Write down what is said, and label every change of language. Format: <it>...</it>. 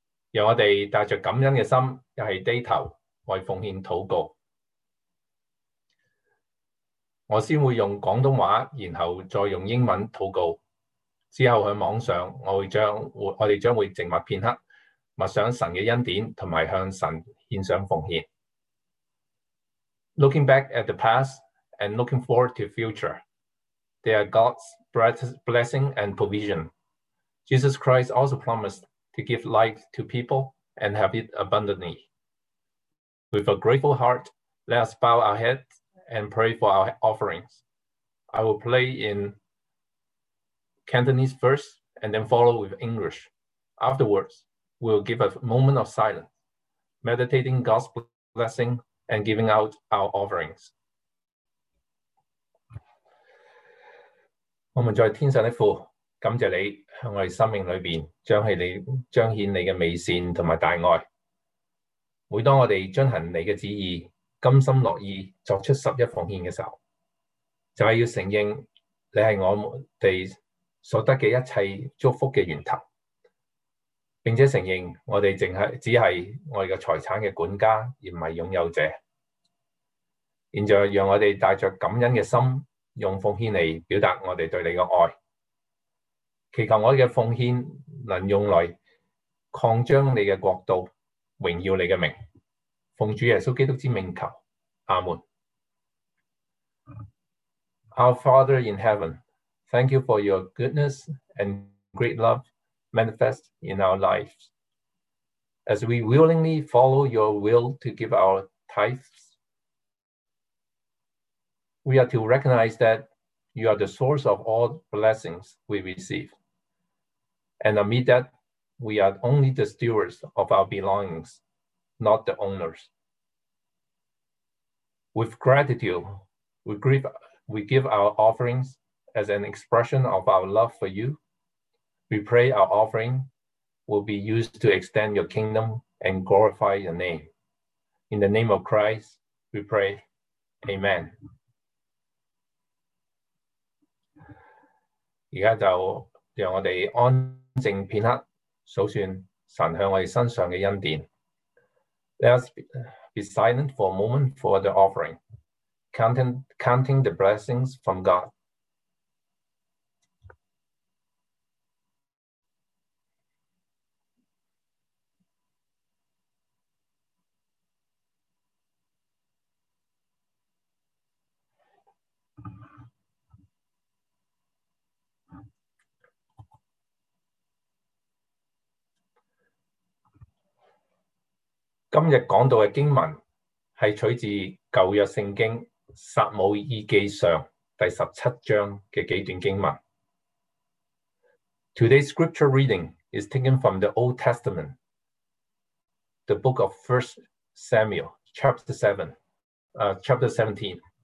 <zh>让我们带着感恩的心，又是低头为奉献祷告。我先会用广东话，然后再用英文祷告。之后在网上，我们将会静默片刻，默想神的恩典，同埋向神献上奉献。</zh> <en>Looking back at the past and looking forward to future, there are God's blessing and provision. Jesus Christ also promised. To give light to people and have it abundantly. With a grateful heart, let us bow our heads and pray for our offerings. I will play in Cantonese first and then follow with English. Afterwards, we'll give a moment of silence, meditating God's blessing and giving out our offerings.</en> <zh>我们在天上的父感謝你在我們生命裏面彰顯你的美善和大愛。每當我們遵行你的旨意，甘心樂意作出十一奉獻的時候，就是要承認你是我們所得的一切祝福的源頭，並且承認我們只是我們的財產的管家，而不是擁有者。現在讓我們帶著感恩的心，用奉獻來表達我們對你的愛。祈求我的奉献能用来扩张你的国度，荣耀你的名。奉主耶稣基督之名求，阿门。</zh> <en>Our Father in heaven, thank you for your goodness and great love manifest in our lives. As we willingly follow your will to give our tithes, we are to recognize that you are the source of all blessings we receive. And amid that, we are only the stewards of our belongings, not the owners. With gratitude, we give our offerings as an expression of our love for you. We pray our offering will be used to extend your kingdom and glorify your name. In the name of Christ, we pray, Amen.</en> <zh>现在就让我们安静片刻数算神向我们身上的恩典。</zh> <en>Let us be silent for a moment for the offering, counting the blessings from God.</en> <zh>今日讲到的经文是取自旧约圣经撒母耳记上第十七章的几段经文。</zh> <en>Today's scripture reading is taken from the Old Testament, the book of 1 Samuel, chapter 17.</en>